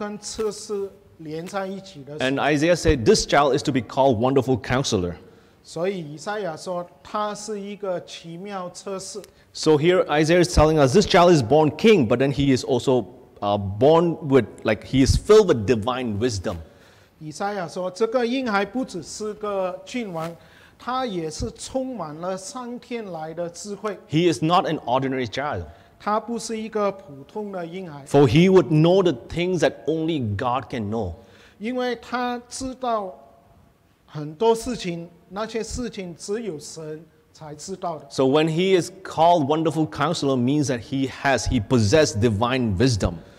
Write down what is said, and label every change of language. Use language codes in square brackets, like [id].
[zh] 所以我们如果把奇妙跟测试连在一起的时候, [en] And Isaiah said this child is to be called wonderful counselor. [zh] 所以以赛亚说他是一个奇妙测试。 [en] So here Isaiah is telling us this child is born king, but then he is also born with, like, he is filled with divine wisdom. [zh] 以赛亚说这个婴孩不只是个君王，他也是充满了上天来的智慧。 [en] He is not an ordinary child. [zh] 他不是一个普通的婴孩。 [en] For he would know the things that only God can know. [zh] 因为他知道很多事情。那些事情只有神才知道的。 [en] So when he is called Wonderful Counselor, means that he possessed divine wisdom.